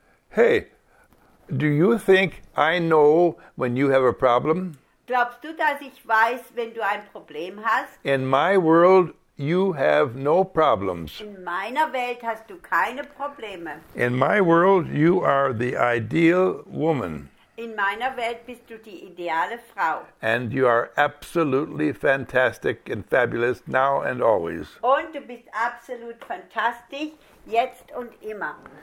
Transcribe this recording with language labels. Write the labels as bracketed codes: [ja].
[en] Hey, do you think I know when you have a problem? [de] Glaubst du, dass ich weiß, wenn du ein Problem hast? [en] In my world, you have no problems. [de] In meiner Welt hast du keine Probleme. [en] In my world, you are the ideal woman. [de] In meiner Welt bist du die ideale Frau. [en] And you are absolutely fantastic and fabulous now and always. [de] Und du bist absolut fantastisch, jetzt und immer.